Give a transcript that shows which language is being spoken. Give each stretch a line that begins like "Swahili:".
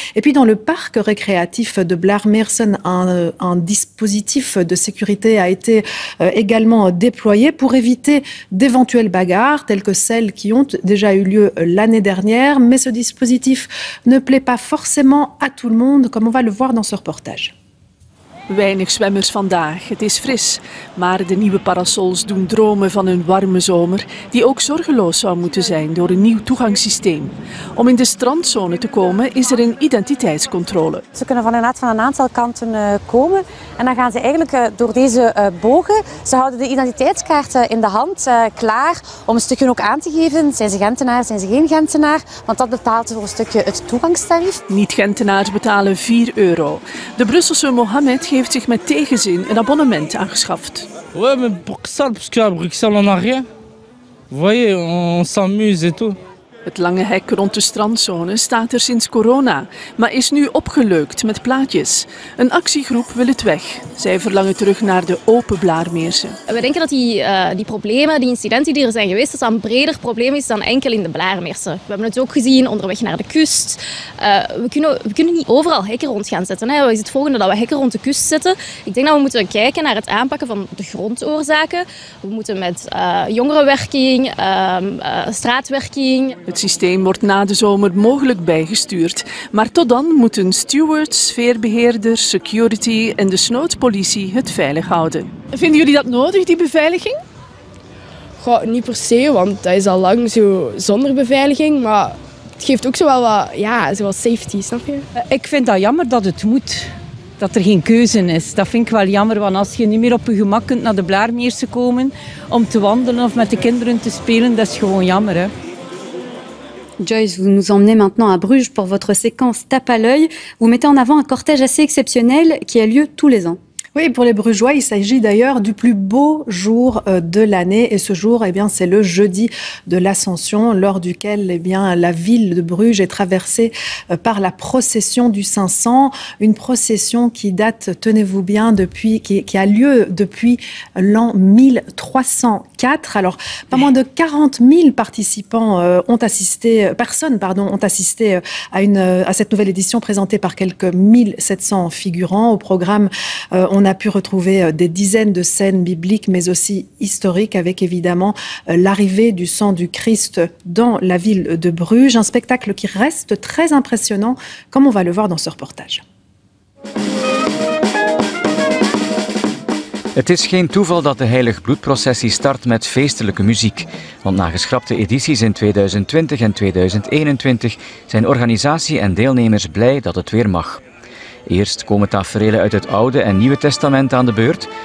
French: Et puis dans le parc récréatif de Blarmersen, un dispositif de sécurité a été également déployé pour éviter d'éventuelles bagarres telles que celles qui ont déjà eu lieu l'année dernière. Mais ce dispositif ne plaît pas forcément à tout le monde, comme on va le voir dans ce reportage.
Dutch: Weinig zwemmers vandaag. Het is fris, maar de nieuwe parasols doen dromen van een warme zomer die ook zorgeloos zou moeten zijn door een nieuw toegangssysteem. Om in de strandzone te komen is er een identiteitscontrole. Ze kunnen vanuit van een aantal kanten komen en dan gaan ze eigenlijk door deze bogen. Ze houden de identiteitskaart in de hand, klaar om een stukje ook aan te geven. Zijn ze Gentenaar, zijn ze geen Gentenaar? Want dat betaalt voor een stukje het toegangstarief. Niet-Gentenaars betalen 4 euro. De Brusselse Mohammed heeft zich met tegenzin een abonnement aangeschaft. Ja, maar
French: Bruxelles, parce qu'à Bruxelles on a rien. Vous voyez, on s'amuse et tout.
Dutch: Het lange hek rond de strandzone staat er sinds corona, maar is nu opgeleukt met plaatjes. Een actiegroep wil het weg. Zij verlangen terug naar de open Blarmersen. We denken dat die problemen, die incidenten die er zijn geweest, dat dat een breder probleem is dan enkel in de Blarmersen. We hebben het ook gezien onderweg naar de kust. We kunnen niet overal hekken rond gaan zetten. Hè. Is het volgende dat we hekken rond de kust zetten? Ik denk dat we moeten kijken naar het aanpakken van de grondoorzaken. We moeten met jongerenwerking, straatwerking... Het systeem wordt na de zomer mogelijk bijgestuurd. Maar tot dan moeten stewards, sfeerbeheerders, security en de snoodpolitie het veilig houden. Vinden jullie dat nodig, die beveiliging? Goh, niet per se, want dat is al lang zo zonder beveiliging. Maar het geeft ook zo wel wat, ja, zo wat safety, snap je? Ik vind dat jammer dat het moet. Dat er geen keuze is. Dat vind ik wel jammer, want als je niet meer op je gemak kunt naar de Blaarmeerse komen om te wandelen of met de kinderen te spelen, dat is gewoon jammer, hè.
French: Joyce, vous nous emmenez maintenant à Bruges pour votre séquence Tape à l'œil. Vous mettez en avant un cortège assez exceptionnel qui a lieu tous les ans. Oui, pour les Brugeois, il s'agit d'ailleurs du plus beau jour de l'année. Et ce jour, eh bien, c'est le jeudi de l'Ascension, lors duquel, eh bien, la ville de Bruges est traversée par la procession du 500. Une procession qui date, tenez-vous bien, depuis, qui a lieu depuis l'an 1304. Alors, pas moins de 40 000 participants ont assisté à cette nouvelle édition présentée par quelques 1700 figurants au programme. On a pu retrouver des dizaines de scènes bibliques, mais aussi historiques, avec évidemment l'arrivée du sang du Christ dans la ville de Bruges. Un spectacle qui reste très impressionnant, comme on va le voir dans ce reportage.
Dutch: Het is geen toeval dat de heilig bloedprocessie start met feestelijke muziek. Want na geschrapte edities in 2020 en 2021 zijn organisatie en deelnemers blij dat het weer mag. Eerst komen taferelen uit het Oude en Nieuwe Testament aan de beurt.